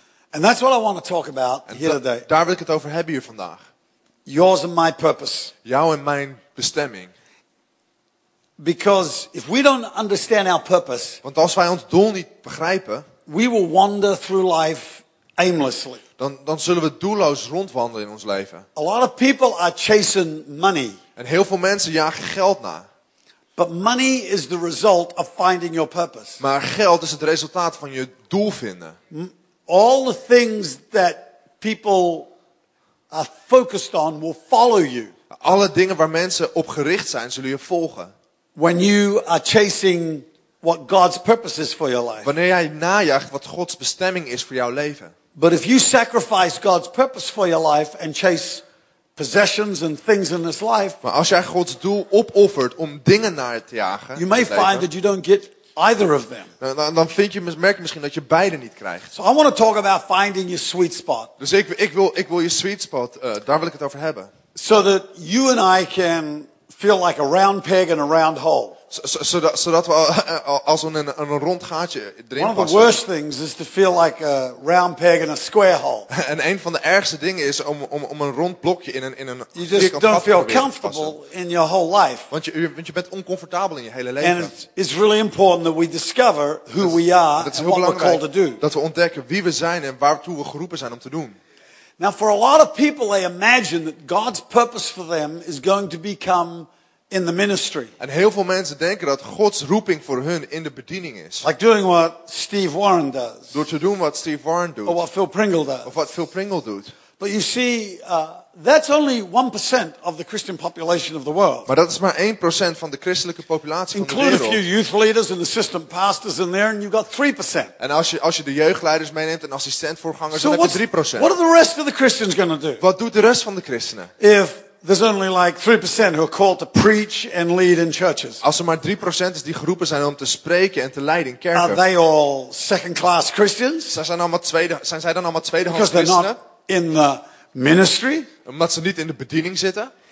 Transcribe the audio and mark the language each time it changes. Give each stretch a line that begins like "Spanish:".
English: And that's what I want to talk about here today.
Dutch: Daar wil ik het over hebben hier vandaag.
English: Yours and my purpose.
Dutch: Jouw en mijn bestemming.
English: Because if we don't understand our purpose,
Dutch: want als wij ons doel niet begrijpen,
English: we will wander through life aimlessly.
Dutch: Dan zullen we doelloos rondwandelen in ons leven.
English: A lot of people are chasing money.
Dutch: En heel veel mensen jagen geld na.
English: But money is the result of finding your purpose.
Dutch: Maar geld is het resultaat van je doel vinden.
English: All the things that people are focused on will follow you.
Dutch: Alle dingen waar mensen op gericht zijn, zullen je volgen.
English: When you are chasing what God's purpose is for your life.
Dutch: Wanneer jij najaagt wat Gods bestemming is voor jouw leven.
English: But if you sacrifice God's purpose for your life and chase possessions and things in this life.
Dutch: Maar als jij Gods doel opoffert om dingen naar te jagen.
English: You may find that you don't get either of them.
Dutch: Dan merk je misschien dat je beide niet krijgt.
English: So I want to talk about finding your sweet spot.
Dutch: Dus ik wil je sweet spot. Daar wil ik het over hebben.
English: So that you and I can feel like a round peg in a round hole.
Dutch: Zodat we als we in een rond gaatje erin passen.
English: One of the worst things is to feel like a round peg in a square hole.
Dutch: En een van de ergste dingen is om een rond blokje in een
English: you just don't feel comfortable in your whole life.
Dutch: Want je bent oncomfortabel in je hele leven.
English: And it's really important that we discover who we are and what we're called to do.
Dutch: Dat we ontdekken wie we zijn en waartoe we geroepen zijn om te doen.
English: Now, for a lot of people, they imagine that God's purpose for them is going to become in the ministry.
Dutch: En heel veel mensen denken dat God's roeping voor hun in de bediening is.
English: Like doing what Steve Warren does.
Dutch: Door te doen wat Steve Warren doet.
English: Or what Phil Pringle does.
Dutch: Of wat Phil Pringle doet.
English: But you see, that's only 1% of the Christian population of the world.
Dutch: Maar dat is maar 1% van de christelijke populatie van
English: Include a few youth leaders and assistant pastors in there, and you've got 3%.
Dutch: En als je de jeugdleiders meeneemt en assistentvoorgangers, so dan heb je 3%.
English: What are the rest of the Christians going to do?
Dutch: Wat doet de rest van de christenen?
English: If there's only like 3% who are called to preach and lead in churches.
Dutch: Als er maar 3% is die geroepen zijn om te spreken en te leiden in kerken.
English: Are they all second-class Christians?
Dutch: Zijn zij dan allemaal tweedehands christenen?
English: Because they're not in the ministry.
Dutch: Omdat ze niet in de bediening zitten.